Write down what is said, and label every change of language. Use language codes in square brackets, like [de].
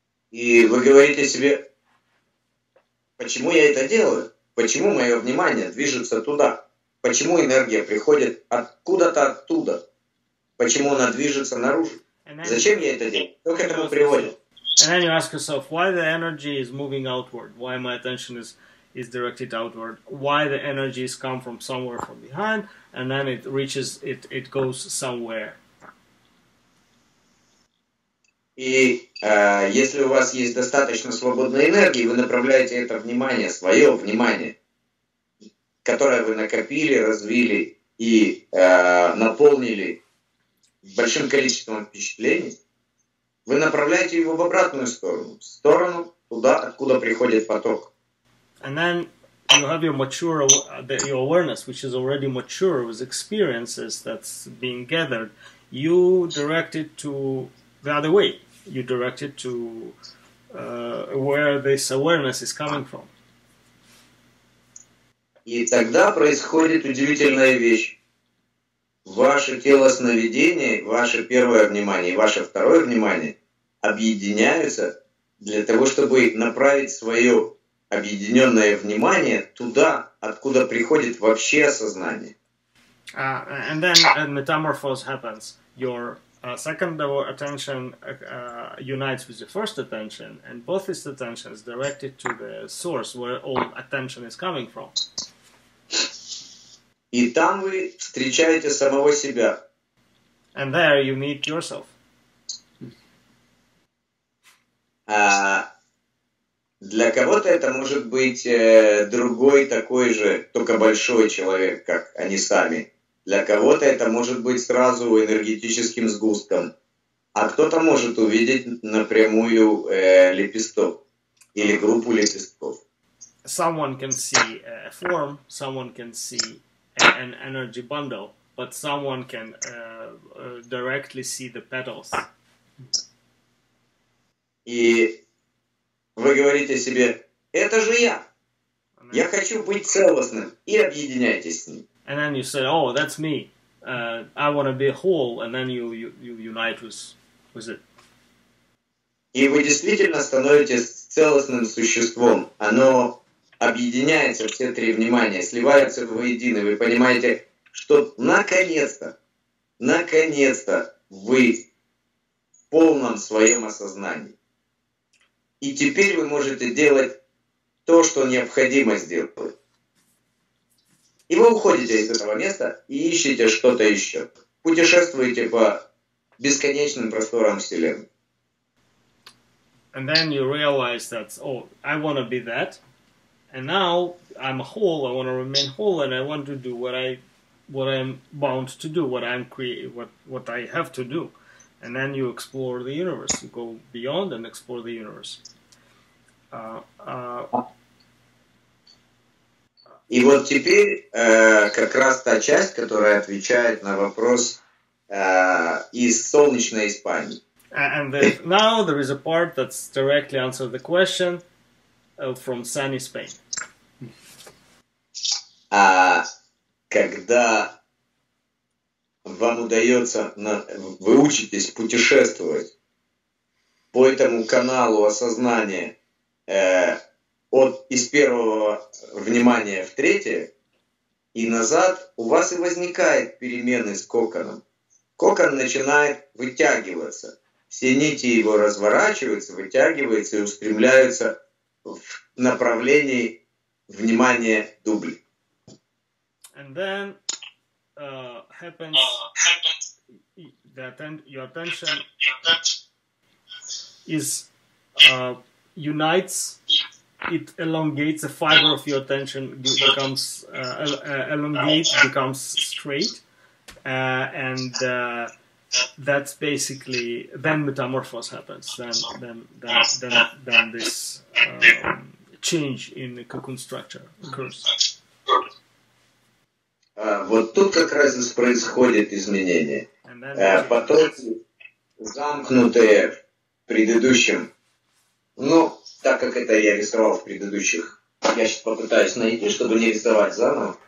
[ru] И вы говорите себе, почему я это делаю? Почему мое внимание движется туда? Почему энергия приходит откуда-то оттуда? Почему она движется наружу? Зачем я это делаю? Что к этому приводит? [en] And then you ask yourself, why the energy is moving outward? Why my attention is is directed outward, why the energies come from somewhere from behind, and then it reaches, it goes somewhere. [ru] И если у вас есть достаточно свободной энергии, вы направляете это внимание, свое внимание, которое вы накопили, развили и наполнили большим количеством впечатлений, вы направляете его в обратную сторону, в сторону туда, откуда приходит поток. [en] And then you have your mature, your awareness, which is already mature with experiences that's being gathered. You direct it to the other way. You direct it to where this awareness is coming from. [ru] И тогда происходит удивительная вещь. Ваше тело сновидений, ваше первое внимание, ваше второе внимание объединяются для того, чтобы направить свое объединенное внимание туда, откуда приходит вообще осознание. [en] And then a metamorphose happens. Your second attention unites with your first attention, and both these attentions directed to the source where all attention is coming from. [ru] И там вы встречаете самого себя. [en] And there you meet yourself. [ru] Для кого-то это может быть другой такой же, только большой человек, как они сами. Для кого-то это может быть сразу энергетическим сгустком. А кто-то может увидеть напрямую лепесток или группу лепестков. [en] Someone can see a form, someone can see an energy bundle, but someone can directly see the petals. [ru] И вы говорите себе, это же я. Я хочу быть целостным. И объединяйтесь с ним. [en] And then you say, oh, that's me. I want to be whole. And then you unite with it. [ru] И вы действительно становитесь целостным существом. Оно объединяется, все три внимания, сливается воедино. Вы понимаете, что наконец-то вы в полном своем осознании. И теперь вы можете делать то, что необходимо сделать. И вы уходите из этого места и ищете что-то еще. Путешествуете по бесконечным просторам Вселенной. [en] And then you realize that, oh, I want to be that. And now I'm whole, I want to remain whole, and I want to do what I'm bound to do, what I have to do. And then you explore the universe, you go beyond and explore the universe. [ru] И вот теперь как раз та часть, которая отвечает на вопрос из солнечной Испании. [en] And now there is a part that's directly answered the question from sunny Spain. [ru] А когда вам удается, вы учитесь путешествовать по этому каналу осознания из первого внимания в третье и назад, у вас и возникают перемены с коконом. Кокон начинает вытягиваться. Все нити его разворачиваются, вытягиваются и устремляются в направлении внимания дубли. [en] And then your attention is unites, it elongates, the fiber of your attention becomes elongates, becomes straight, and that's basically then metamorphosis happens, then this change in the cocoon structure occurs. [ru] Вот тут как раз происходит изменение. Потоки, замкнутые в предыдущем. Но так как это я рисовал в предыдущих, я сейчас попытаюсь найти, чтобы не рисовать заново.